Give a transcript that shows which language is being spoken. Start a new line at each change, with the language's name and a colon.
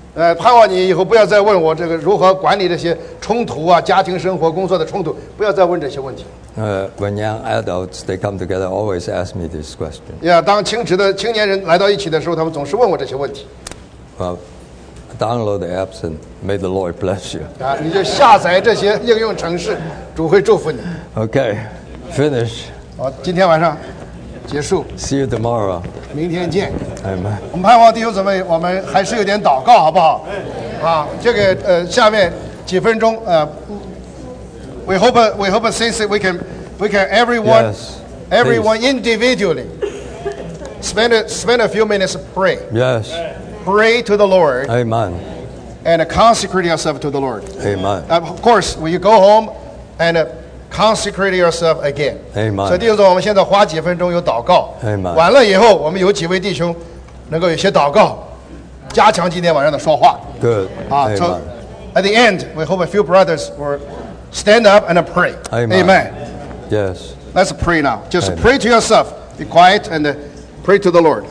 Chinese: 盼望你以后不要再问我这个如何管理这些冲突啊，家庭生活工作的冲突，不要再问这些问题。
English: When young adults they come together, always ask me this question.
Chinese: Yeah, 当青职的青年人来到一起的时候，他们总是问我这些问题。
English: Well, download the apps and may the Lord bless you.
Chinese: 啊，你就下载这些应用程式，主会祝福你。
English: Okay, finish.
Chinese: 好，今天晚上结束。
English: See you tomorrow.
Chinese: 明天见。
English: Amen.
Chinese: 我们盼望弟兄姊妹，我们还是有点祷告，好不好？啊，这个下面几分钟
English: we hope since we can everyone、 yes. everyone、Please. individually spend a few minutes pray. Yes. Pray to the Lord. Amen. And consecrate yourself to the Lord. Amen. Of course, when you go home and. Consecrate yourself again. Amen.
Chinese: 所以弟兄们，我们现在花几分钟有祷告。
English: Amen.
Chinese: 完了以后，我们有几位弟兄能够有些祷告，加强今天晚上的说话。
English: Good. 啊 Amen. So, at the end, we hope a few brothers will stand up and pray. Amen. Amen. Yes. Let's pray now. Just、Amen. Pray to yourself. Be quiet and pray to the Lord.